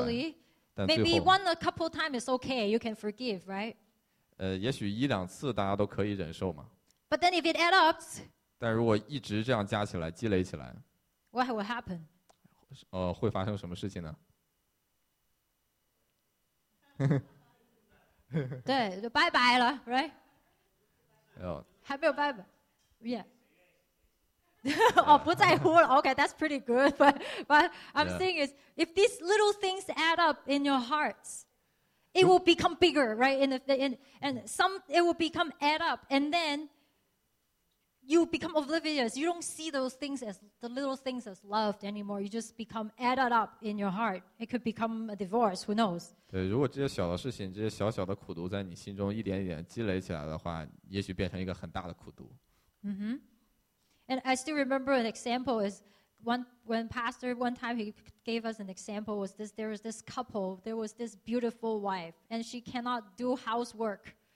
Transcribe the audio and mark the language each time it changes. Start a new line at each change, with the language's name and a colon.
English: ，And then eventually, maybe one a couple times is okay, you can forgive, right?
Chinese: 也许一两次大家都可以忍受嘛。
English: But then if it adds up,
Chinese: 但如果一直这样加起来、积累起来
English: ，What will happen?
Chinese: 会发生什么事情呢？对，就拜拜了 ，
English: right?
Chinese: 没有，还没有拜拜
English: ，Yeah. oh,
Chinese: 不在乎了.
English: Okay, that's pretty good. But I'm saying is, if these little things add up in your hearts, it will become bigger, right? It will become add up, and then you become oblivious. You don't see those things as the little things as loved anymore. You just become added up in your heart. It could become a divorce. Who knows?
Chinese: 对，如果这些小的事情，这些小小的苦读，在你心中一点一点积累起来的话，也许变成一个很大的苦读。 Mm-hmm.
English: And I still remember an example is one when pastor one time he gave us an example was this. There was this couple. There was this beautiful wife, and she cannot do housework.